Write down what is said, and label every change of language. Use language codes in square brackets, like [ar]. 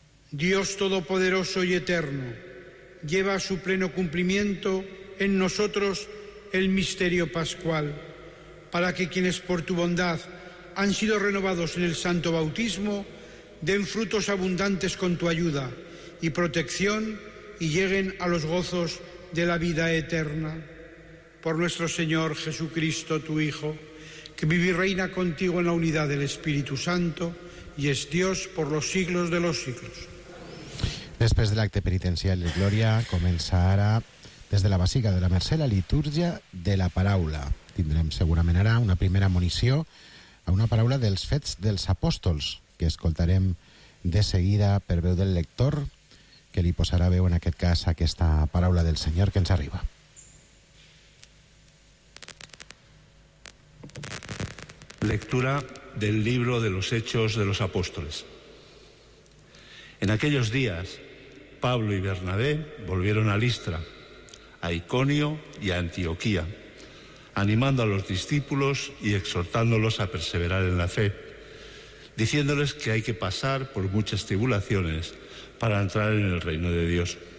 [es] Dios Todopoderoso y Eterno, lleva a su pleno cumplimiento en nosotros el misterio pascual, para que quienes por tu bondad han sido renovados en el santo bautismo, den frutos abundantes con tu ayuda y protección y lleguen a los gozos de la vida eterna. Por nuestro Señor Jesucristo, tu Hijo, que vive y reina contigo en la unidad del Espíritu Santo y es Dios por los siglos de los siglos. [ca] Després de l'acte penitencial de Glòria, comença ara, des de la Basílica de la Mercè, la litúrgia de la paraula. Tindrem segurament ara una primera munició a una paraula dels fets dels apòstols, que escoltarem de seguida per veu del lector, que li posarà veu en aquest cas aquesta paraula del Senyor que ens arriba. [es] Lectura del libro de los Hechos de los Apóstoles. En aquellos días, Pablo y Bernabé volvieron a Listra, a Iconio y a Antioquía, animando a los discípulos y exhortándolos a perseverar en la fe, diciéndoles que hay que pasar por muchas tribulaciones para entrar en el reino de Dios.